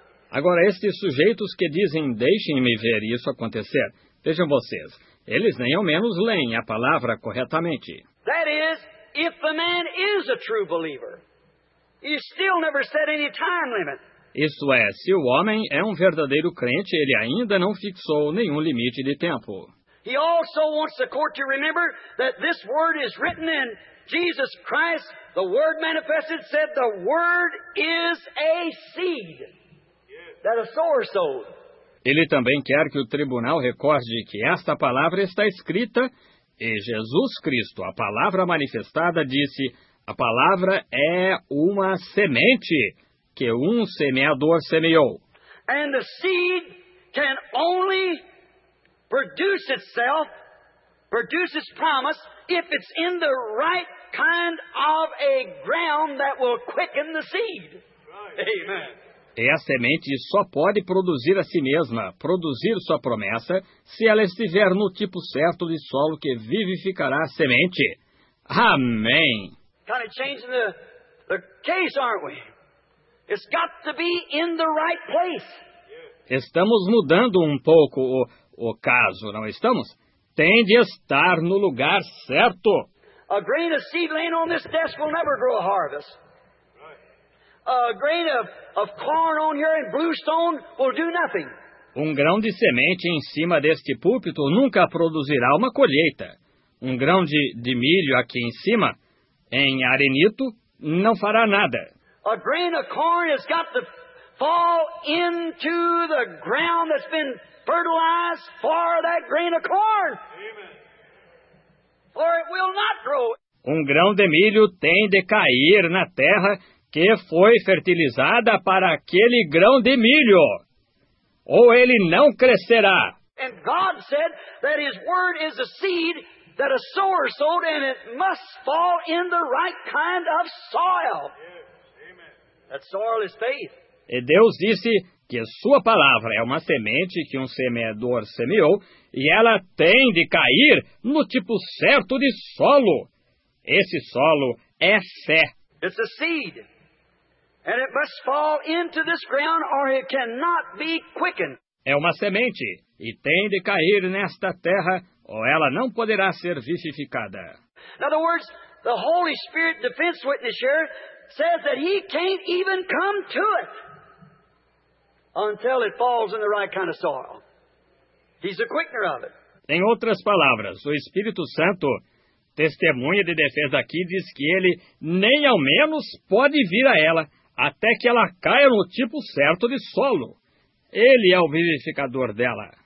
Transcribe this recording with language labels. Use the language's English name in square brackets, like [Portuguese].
[Portuguese] Agora, estes sujeitos que dizem, deixem-me ver isso acontecer. Vejam vocês, eles nem ao menos leem a palavra corretamente. [English] That is, if the man is a true believer, he still never set any time limit. [Portuguese] Isto é, se o homem é um verdadeiro crente, ele ainda não fixou nenhum limite de tempo. [English] He also wants the court to remember that this word is written in Jesus Christ, the word manifested, said the word is a seed that a sower sowed. [Portuguese] Ele também quer que o tribunal recorde que esta palavra está escrita e Jesus Cristo, a palavra manifestada, disse, a palavra é uma semente que um semeador semeou. [English] And the seed can only produce itself, produce its promise, if it's in the right kind of a ground that will quicken the seed. Right. Amen. [Portuguese] E a semente só pode produzir a si mesma, produzir sua promessa, se ela estiver no tipo certo de solo que vivificará a semente. Amém. [English] Kind of changing the case, aren't we? It's got to be in the right place. [Portuguese] Estamos mudando um pouco o caso, não estamos? Tem de estar no lugar certo. [English] A grain of seed laying on this desk will never grow a harvest. A grain of corn on here in Bluestone will do nothing. [Portuguese] Um grão de semente em cima deste púlpito nunca produzirá uma colheita. Um grão de milho aqui em cima, em Arenito, não fará nada. [English] A grain of corn has got to fall into the ground that's been fertilize for that grain of corn. Amen. for it will not grow. [Portuguese] Um grão de milho tem de cair na terra que foi fertilizada para aquele grão de milho, ou ele não crescerá. [English] And God said that his word is a seed that a sower sowed, and it must fall in the right kind of soil. Yes. That soil is faith. [Portuguese] E Deus disse que sua palavra é uma semente que um semeador semeou, e ela tem de cair no tipo certo de solo. Esse solo é fé. [English] It's a seed, and it must fall into this ground or it cannot be quickened. [Portuguese] É uma semente, e tem de cair nesta terra, ou ela não poderá ser vivificada. [English] In other words, the Holy Spirit defense witness here says that he can't even come to it until it falls in the right kind of soil. He's a quickener of it. [Portuguese] Em outras palavras, o Espírito Santo, testemunha de defesa aqui, diz que ele nem ao menos pode vir a ela até que ela caia no tipo certo de solo. Ele é o vivificador dela.